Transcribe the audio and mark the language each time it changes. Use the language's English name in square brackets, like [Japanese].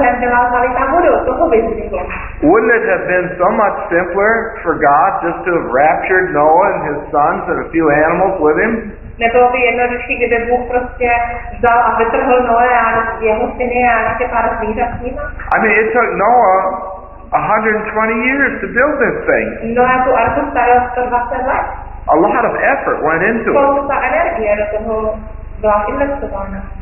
[English] Wouldn't it have been so much simpler for God just to have raptured Noah and his sons and a few animals with him? [Czech] Nebylo by jednodušší, kdyby Bůh prostě vzal a vytrhl Noé a jeho syny a ještě pár zvířat s nima? [English] I mean, it took Noah 120 years to build this thing. [Czech] Noé tu arku stavěl 120 let. [English] A lot of effort went into it. [Czech] Spousta energie do toho byla investována.